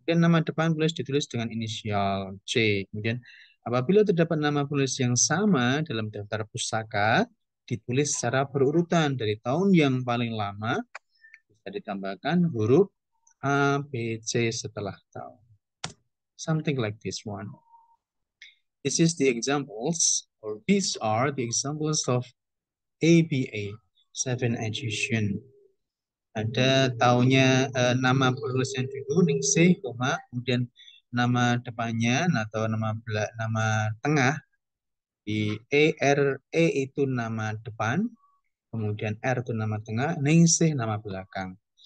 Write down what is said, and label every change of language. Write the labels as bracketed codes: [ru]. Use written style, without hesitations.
[id] Kemudian nama depan boleh ditulis dengan inisial C. Kemudian apabila terdapat nama penulis yang sama dalam daftar pusaka, ditulis secara berurutan dari tahun yang paling lama, bisa ditambahkan huruf A, B, C setelah tahun. [en] Something like this one. This is the examples, or these are the examples of ABA, 7 edition. [id] Ada tahunnya, nama penulisnya dulu, Ningsih, koma, kemudian nama depannya atau nama tengah di ERE itu nama depan, kemudian R itu nama tengah, Ningsih nama belakang.